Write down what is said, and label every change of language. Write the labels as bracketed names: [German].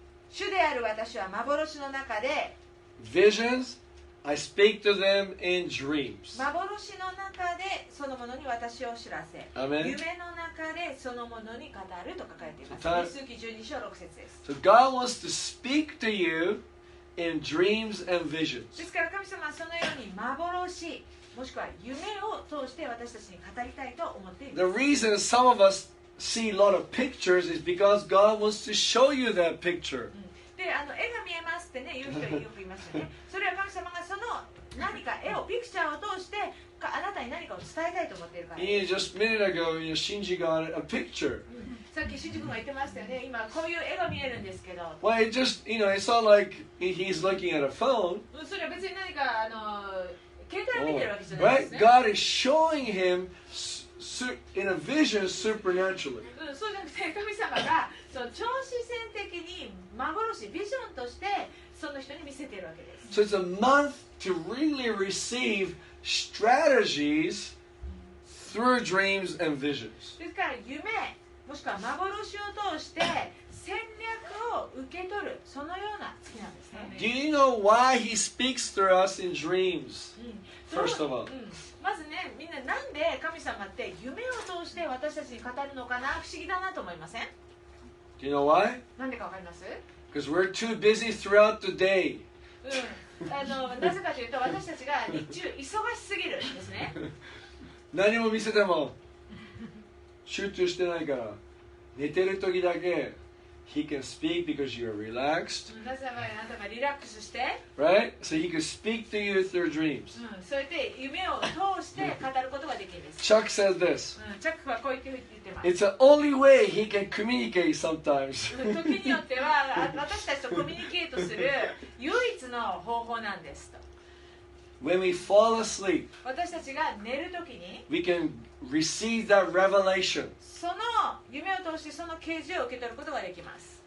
[Japanese] 主である私は幻の中で、 [English] visions. I speak to them in dreams. [Japanese] 幻の中でそのものに私を知らせ、 [English] Amen. [Japanese] 夢の中でそのものに語ると書かれています。民数記12章6節です。 [English] So God wants to speak to you in dreams and visions. [Japanese] ですから神様はそのように幻、もしくは夢を通して私たちに語りたいと思っています。 [English] The reason some of us see a lot of pictures is because God wants to show you that picture. [Japanese] で絵が見えますってね、言う人よくいますよね。それは神様がその何か絵を、ピクチャーを通してあなたに何かを伝えたいと思っているから。 [English] Yeah, just a minute ago, you know, Shinji got a picture. [Japanese] さっきシンジ君が言ってましたよね。今こういう絵が見えるんですけど。 [English] Well, it just, you know, it's not like he's looking at a phone. [Japanese] それは別に何か携帯を見てるわけじゃないですね。 [English] Oh, right? God is showing him in a vision supernaturally. [Japanese] そうじゃなくて神様が、その超自然的に幻、ビジョンとしてその人に見せているわけです。 [English] So it's a month to really receive strategies through dreams and visions. [Japanese] ですから夢もしくは幻を通して戦略を受け取るそのような月なんですね。 [English] Do you know why he speaks through us in dreams? First of all. [Japanese] まずね、みんななんで神様って夢を通して私たちに語るのかな、不思議だなと思いません？ [English] Do you know why? [Japanese] なんでかわかります？ [English] Because we're too busy throughout the day. [Japanese] なぜかというと私たちが日中忙しすぎるんですね。何も見せても集中してないから寝てる時だけ [English] He can speak because you're relaxed. [Japanese] なぜならあなたがリラックスして [English] Right? So he can speak to you through dreams. [Japanese] そうやって夢を通して語ることができるんです。 [English] Chuck says this. [Japanese] Chuck はこう言ってます。 [English] It's the only way he can communicate sometimes. [Japanese] 時によっては私たちとコミュニケートする唯一の方法なんですと。 [English] When we fall asleep, [Japanese] 私たちが寝るときに [English] we can receive that revelation. [Japanese] その夢を通してその啓示を受け取ることができます。